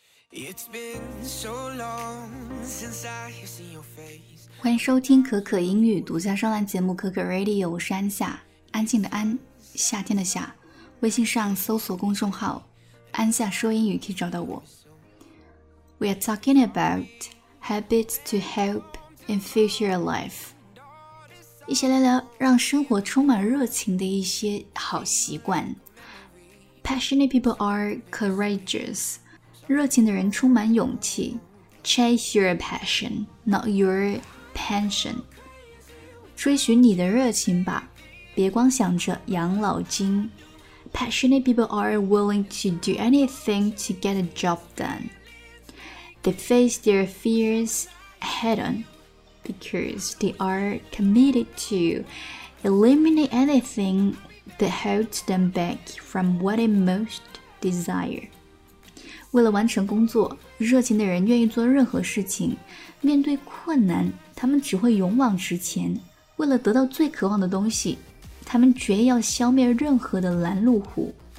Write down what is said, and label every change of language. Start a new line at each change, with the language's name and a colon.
English: It's been so long since I have seen your face.
Chinese: 欢迎收听可可英语独家专栏节目可可 Radio， 我是安夏，安静的安，夏天的夏。微信上搜索公众号安夏说英语可以找到我。
English: We are talking about habits to help in future life，
Chinese: 一起聊聊让生活充满热情的一些好习惯。
English: Passionate people are courageous，
Chinese: 热情的人充满勇气。
English: Chase your passion, not your pension，
Chinese: 追寻你的热情吧，别光想着养老金。
English: Passionate people are willing to do anything to get a job done. They face their fears head on because they are committed to eliminate anything that holds them back from what they most desire.
Chinese: 为了完成工作，热情的人愿意做任何事情。面对困难，他们只会勇往直前。为了得到最渴望的东西，他们绝要消灭任何的拦路虎。